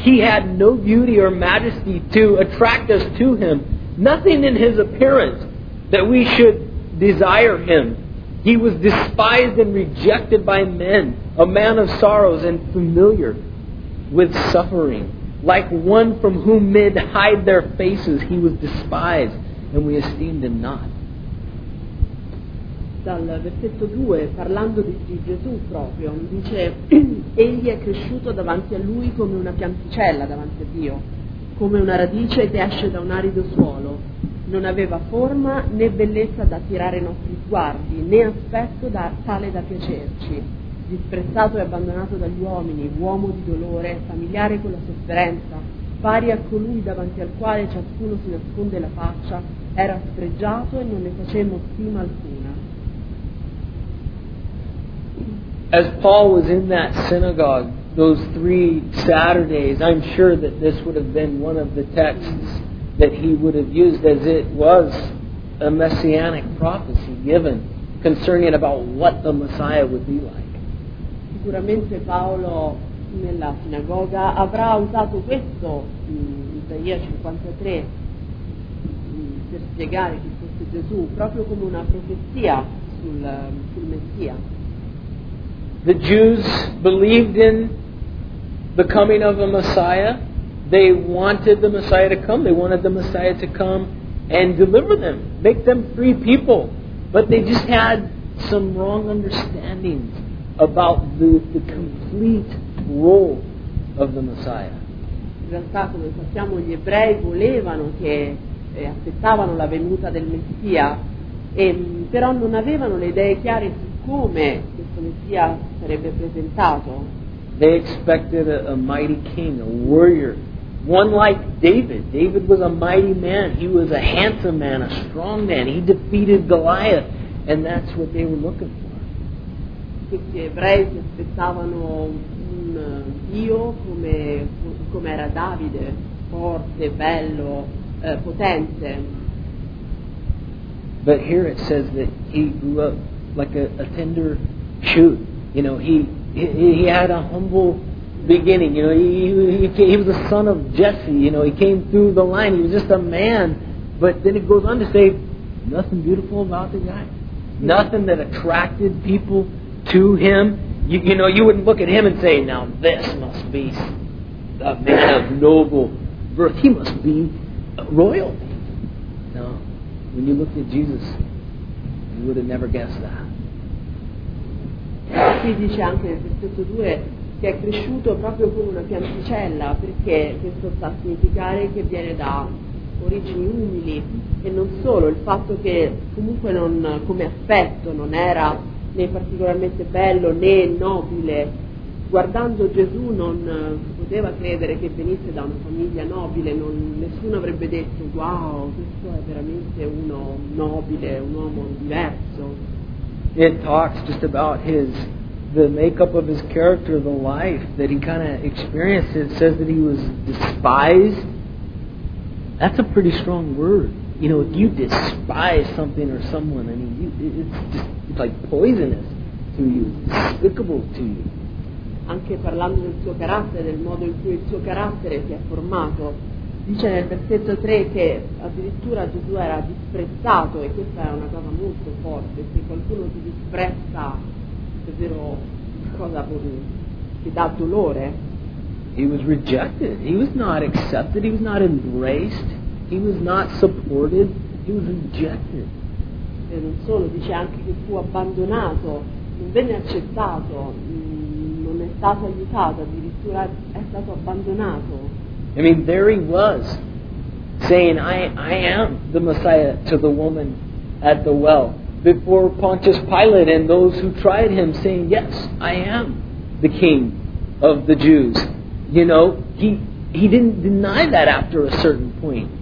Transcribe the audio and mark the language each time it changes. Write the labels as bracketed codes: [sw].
[en] He had no beauty or majesty to attract us to him, nothing in his appearance that we should desire him. He was despised and rejected by men, a man of sorrows and familiar with suffering, like one from whom men hide their faces, he was despised, and we esteemed him not. [it] Dal versetto 2, parlando di Gesù proprio, dice, egli è cresciuto davanti a lui come una pianticella davanti a Dio, come una radice che esce da un arido suolo. Non aveva forma né bellezza da attirare i nostri sguardi, né aspetto tale da piacerci. disprezzato e abbandonato dagli uomini, uomo di dolore, familiare con la sofferenza, pari a colui davanti al quale ciascuno si nasconde la faccia, era spregiato e non ne facemmo stima alcuna. [en] As Paul was in that synagogue those three Saturdays, I'm sure that this would have been one of the texts that he would have used, as it was a messianic prophecy given concerning about what the Messiah would be like. [it] Sicuramente Paolo nella sinagoga avrà usato questo Isaia 53 per spiegare chi fosse Gesù, proprio come una profezia sul Messia. [en] The Jews believed in the coming of a Messiah. They wanted the Messiah to come. They wanted the Messiah to come and deliver them, make them free people. But they just had some wrong understandings about the complete role of the Messiah. [it] In realtà, come sappiamo, gli ebrei volevano che aspettavano la venuta del Messia, però non avevano le idee chiare su come questo Messia sarebbe presentato. [en] They expected a mighty king, a warrior, one like David. David was a mighty man. He was a handsome man, a strong man. He defeated Goliath, and that's what they were looking for. [it] Questi ebrei si aspettavano un Dio come era Davide, forte, bello, potente. [en] But here it says that he grew up like a tender shoot. You know, he had a humble beginning. You know, he was the son of Jesse. You know, he came through the line. He was just a man. But then it goes on to say, nothing beautiful about the guy. Nothing that attracted people to him. You know, you wouldn't look at him and say, now this must be a man of noble birth. He must be royal. No. When you looked at Jesus, you would have never guessed that. [it] Qui dice anche nel versetto 2 che è cresciuto proprio come una pianticella, perché questo sta a significare che viene da origini umili, e non solo, il fatto che comunque non, come aspetto, non era né particolarmente bello né nobile. Guardando Gesù non si poteva credere che venisse da una famiglia nobile, non, nessuno avrebbe detto wow, questo è veramente uno nobile, un uomo diverso. [en] It talks just about the makeup of his character, the life that he kind of experienced. It says that he was despised. That's a pretty strong word. You know, if you despise something or someone, I mean, it's like poisonous to you, despicable to you. [it] Anche parlando del suo carattere, del modo in cui il suo carattere si è formato, dice nel versetto 3 che addirittura Gesù era disprezzato, e questa è una cosa molto forte. Se qualcuno ti disprezza, è vero, qualcosa che dà dolore. [en] He was rejected. He was not accepted. He was not embraced. He was not supported. He was rejected. [it] E non solo, dice anche che fu abbandonato, non venne accettato, non è stato aiutato, addirittura è stato abbandonato. [en] I mean, there he was, saying, I am the Messiah to the woman at the well, before Pontius Pilate and those who tried him, saying, yes, I am the king of the Jews. You know, he didn't deny that after a certain point.